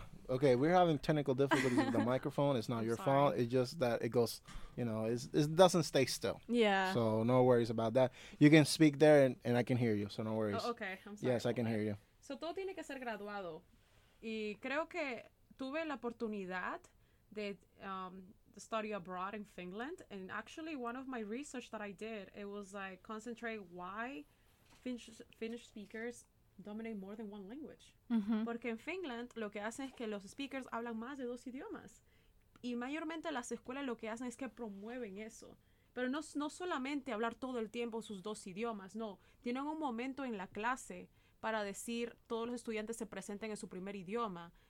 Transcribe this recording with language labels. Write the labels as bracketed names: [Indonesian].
[English] Okay, we're having technical difficulties with the microphone. It's not your fault. It's just that it goes, you know, it doesn't stay still. Yeah. So no worries about that. You can speak there and I can hear you. So no worries. Oh, okay, I'm sorry. Yes, I can hear you. [Spanish] So todo tiene que ser graduado. Y creo que tuve la oportunidad de [English] study abroad in Finland. And actually, one of my research that I did, it was like concentrate why Finnish speakers dominate more than one language. Uh-huh. [Spanish] Porque en Finland lo que hacen es que los speakers hablan más de dos idiomas. Y mayormente las escuelas lo que hacen es que promueven eso. Pero no solamente hablar todo el tiempo sus dos idiomas, no. Tienen un momento en la clase para decir todos los estudiantes se presenten en su primer idioma.